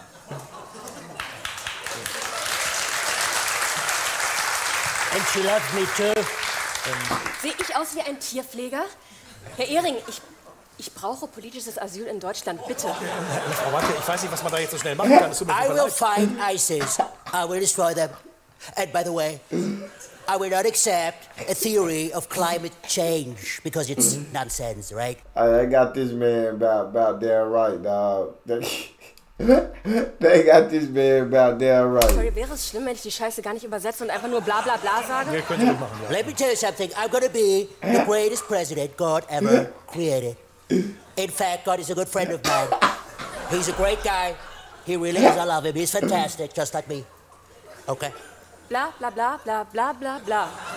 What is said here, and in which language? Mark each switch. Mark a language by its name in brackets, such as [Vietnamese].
[English] And she loves me too. [German] Sehe ich aus wie ein Tierpfleger? Herr Ehring, ich brauche politisches Asyl in Deutschland, bitte. Frau Wacke, ich weiß nicht, was man da jetzt so schnell machen kann. [English] I will find ISIS. I will destroy them. And by the way, I will not accept a theory of climate change because it's nonsense, right? I got this man about damn right, dog. They got this man about damn right. [German] Sorry, wäre es schlimm, wenn ich die Scheiße gar nicht übersetze und einfach nur bla bla bla sage? Ja, könnt ihr machen, ja. [English] Let me tell you something. I'm gonna be the greatest president God ever created. In fact, God is a good friend of mine. He's a great guy. He really is. I love him. He's fantastic, just like me. Okay? Bla bla bla bla bla bla bla.